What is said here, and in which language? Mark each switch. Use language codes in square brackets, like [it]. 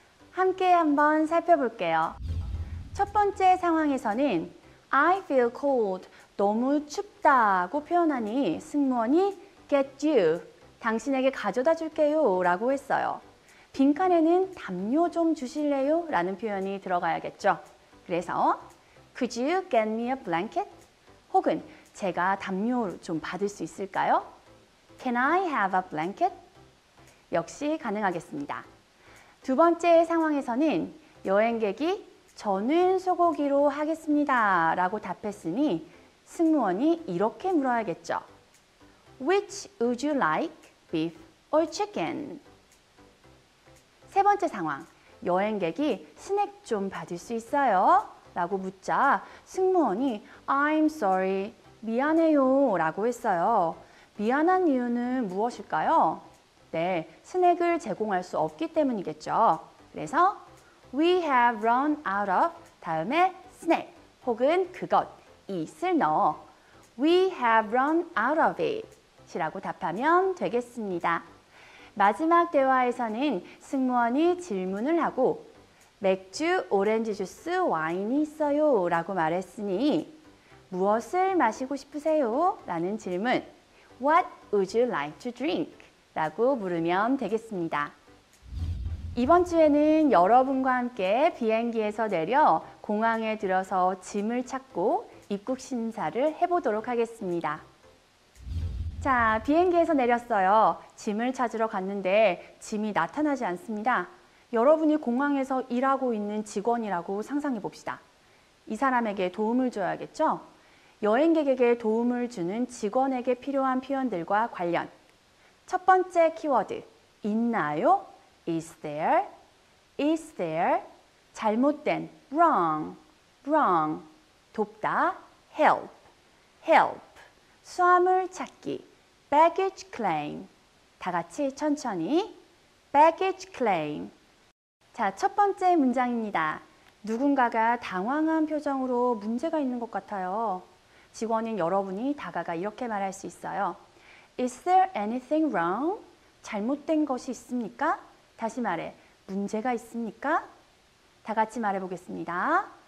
[ko] 함께 한번 살펴볼게요. 첫 번째 상황에서는 [en] I feel cold, [ko] 너무 춥다고 표현하니 승무원이 [en] get you, [ko] 당신에게 가져다 줄게요 라고 했어요. 빈칸에는 담요 좀 주실래요? 라는 표현이 들어가야겠죠. [en] 그래서 could you get me a blanket? [ko] 혹은 제가 담요 좀 받을 수 있을까요? [en] Can I have a blanket? [ko] 역시 가능하겠습니다. 두 번째 상황에서는 여행객이 저는 소고기로 하겠습니다 라고 답했으니 승무원이 이렇게 물어야겠죠. [en] Which would you like, beef or chicken? [ko] 세 번째 상황, 여행객이 스낵 좀 받을 수 있어요? 라고 묻자 승무원이 [en] I'm sorry, [ko] 미안해요 라고 했어요. 미안한 이유는 무엇일까요? 네, 스낵을 제공할 수 없기 때문이겠죠. 그래서 [en] We have run out of [ko] 다음에 snack 혹은 그것, it을 넣어 [en] We have run out of it [ko] 이라고 답하면 되겠습니다. 마지막 대화에서는 승무원이 질문을 하고 맥주, 오렌지 주스, 와인이 있어요 라고 말했으니 무엇을 마시고 싶으세요? 라는 질문 [en] What would you like to drink? [ko] 라고 물으면 되겠습니다. 이번 주에는 여러분과 함께 비행기에서 내려 공항에 들어서 짐을 찾고 입국 심사를 해보도록 하겠습니다. 자, 비행기에서 내렸어요. 짐을 찾으러 갔는데 짐이 나타나지 않습니다. 여러분이 공항에서 일하고 있는 직원이라고 상상해 봅시다. 이 사람에게 도움을 줘야겠죠? 여행객에게 도움을 주는 직원에게 필요한 표현들과 관련. 첫 번째 키워드, 있나요? [en] Is there? Is there? [ko] 잘못된, [en] wrong, wrong. [ko] 돕다, [en] help, help. [ko] 수하물 찾기, baggage claim. 다 같이 천천히, baggage claim. 자, 첫 번째 문장입니다. 누군가가 당황한 표정으로 문제가 있는 것 같아요. 직원인 여러분이 다가가 이렇게 말할 수 있어요. [en] Is there anything wrong? [ko] 잘못된 것이 있습니까? 다시 말해, 문제가 있습니까? 다 같이 말해보겠습니다.